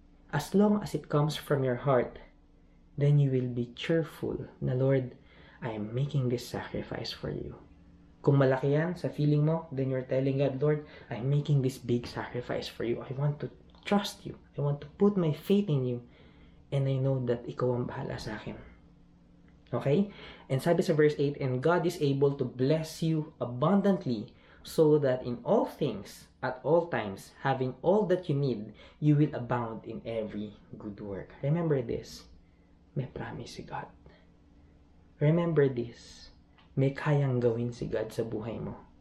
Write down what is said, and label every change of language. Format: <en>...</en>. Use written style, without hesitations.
<en>As long as it comes from your heart, then you will be cheerful na, Lord, I am making this sacrifice for you.</en> <tl>Kung malaki yan sa feeling mo,</tl> <en>then you're telling God, Lord, I'm making this big sacrifice for you. I want to trust you. I want to put my faith in you. And I know that</en> <tl>ikaw ang bahala sa akin.</tl> <en>Okay? And sabi sa verse 8, and God is able to bless you abundantly, so that in all things, at all times, having all that you need, you will abound in every good work. Remember this,</en> <tl>may promise si God. Remember this, may kayang gawin si God sa buhay mo.</tl>